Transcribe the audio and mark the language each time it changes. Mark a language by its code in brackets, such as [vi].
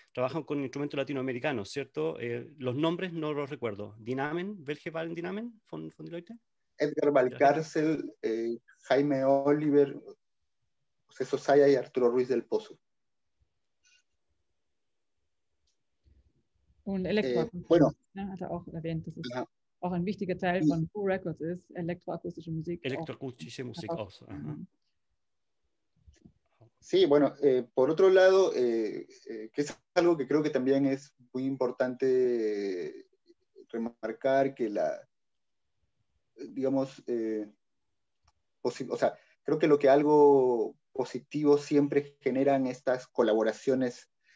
[es] Trabajan con instrumentos latinoamericanos, ¿cierto? Los nombres no los recuerdo. [de] Die Namen, welche waren die Namen von den Leuten? Edgar Valcárcel, Jaime Oliver, José Sosaya y Arturo Ruiz del Pozo. Und Elektroakustik, bueno, hat er auch erwähnt, dass es auch ein wichtiger Teil von Boo Records ist, elektroakustische Musik. Elektroakustische Musik auch. Also. [es] Sí, bueno, por otro lado, que es algo que creo que también es muy importante remarcar, que la, digamos, o sea, creo que lo que algo positivo siempre generan estas colaboraciones